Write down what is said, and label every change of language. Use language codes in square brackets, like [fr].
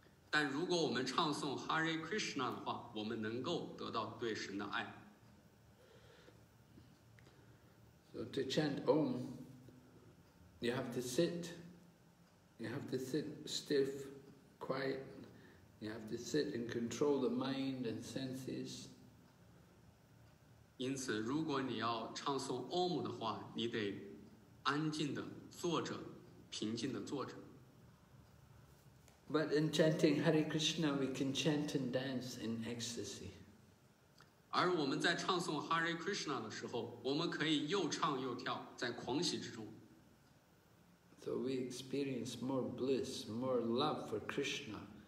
[zh] 但如果我们唱诵 Hare Krishna 的话，我们能够得到对神的爱。 [en] So to chant Om, you have to sit. You have to sit stiff, quiet. You have to sit and control the mind and senses. [zh] 因此，如果你要唱诵 Om 的话，你得安静的坐着，平静的坐着。 [en] But in chanting Hare Krishna, we can chant and dance in ecstasy. [zh] 而我们在唱诵 Hare Krishna 的时候，我们可以又唱又跳，在狂喜之中。 [en] So we experience more bliss, more love for Krishna.